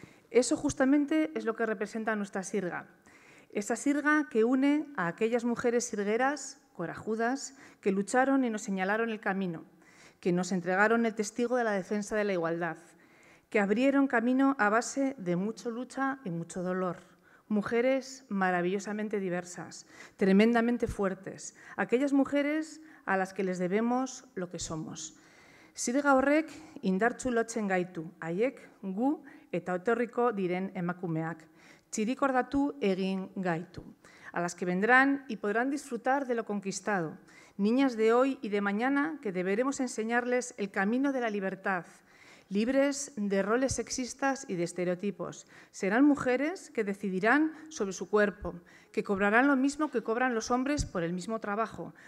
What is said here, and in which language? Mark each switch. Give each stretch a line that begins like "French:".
Spanish: Eso justamente es lo que representa nuestra sirga. Esa sirga que une a aquellas mujeres sirgueras, corajudas, que lucharon y nos señalaron el camino, que nos entregaron el testigo de la defensa de la igualdad, que abrieron camino a base de mucha lucha y mucho dolor. Mujeres maravillosamente diversas, tremendamente fuertes, aquellas mujeres a las que les debemos lo que somos.
Basque: Sirga horrek indartzu lotzen gaitu, haiek, gu eta etorriko diren emakumeak. Txirikordatu egin gaitu,
Spanish: a las que vendrán y podrán disfrutar de lo conquistado. Niñas de hoy y de mañana que deberemos enseñarles el camino de la libertad, libres de roles sexistas y de estereotipos. Serán mujeres que decidirán sobre su cuerpo, que cobrarán lo mismo que cobran los hombres por el mismo trabajo.